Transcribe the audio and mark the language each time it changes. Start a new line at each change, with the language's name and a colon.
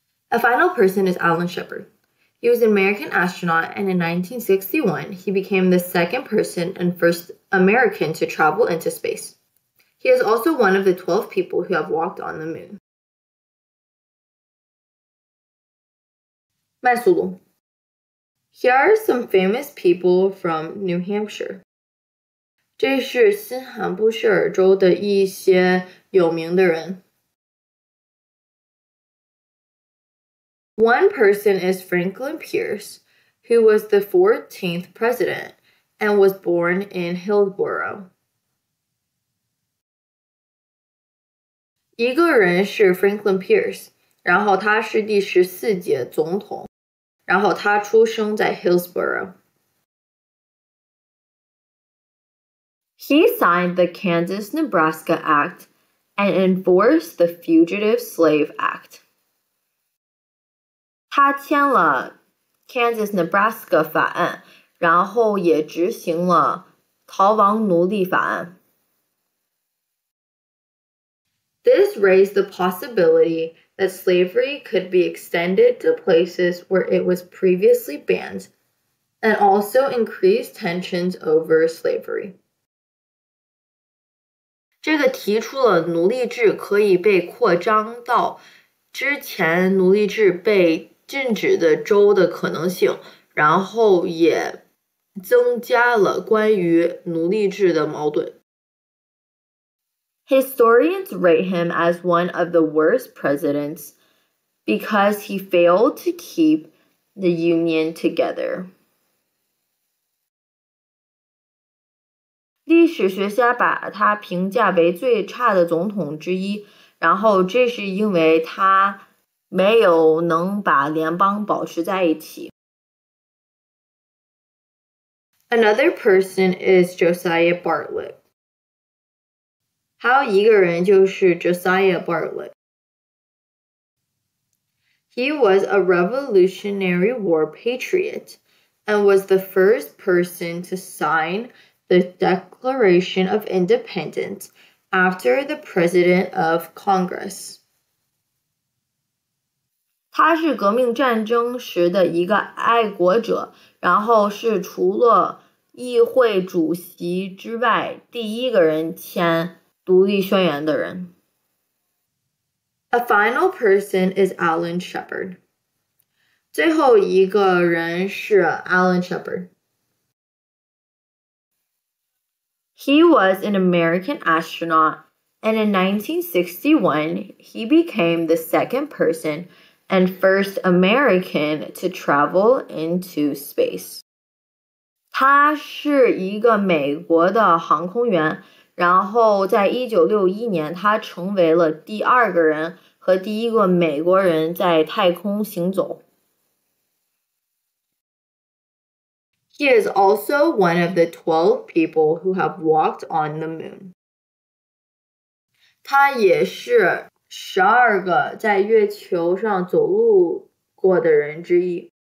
English: A final person is Alan Shepard. He was an American astronaut, and in 1961, he became the second person and first American to travel into space. He is also one of the 12 people who have walked on the moon.
Chinese: 慢速度。
English: Here are some famous people from New Hampshire.
Chinese: 这是新罕布什尔州的一些有名的人。
English: One person is Franklin Pierce, who was the 14th president and was born in Hillsboro.
Chinese: 一个人是 Franklin Pierce, 然后他是第十四届总统,然后他出生在 Hillsboro.
English: He signed the Kansas-Nebraska Act and enforced the Fugitive Slave Act.
Chinese: 他签了 Kansas-Nebraska 法案，然后也执行了逃亡奴隶法案。
English: This raised the possibility that slavery could be extended to places where it was previously banned, and also increased tensions over slavery.
Chinese: 这个提出了奴隶制可以被扩张到之前奴隶制被禁止的州的可能性，然后也增加了关于奴隶制的矛盾。
English: Historians rate him as one of the worst presidents because he failed to keep the Union together.
Chinese: 历史学家把他评价为最差的总统之一，然后这是因为他没有能把联邦保持在一起。
English: Another person is Josiah Bartlett.
Chinese: 还有一个人就是 Josiah Bartlett.
English: He was a Revolutionary War patriot and was the first person to sign the Declaration of Independence after the President of Congress.
Chinese: 他是革命战争时的一个爱国者，然后是除了议会主席之外第一个人签独立宣言的人。
English: A final person is Alan Shepard.
Chinese: 最后一个人是 Alan Shepard.
English: He was an American astronaut, and in 1961, he became the second personand first American to travel into space.
Chinese: 他是一个美国的航空员，然后在1961年他成为了第二个人和第一个美国人在太空行走。
English: He is also one of the 12 people who have walked on the moon.
Chinese: 他也是12个在月球上走路过的人之一。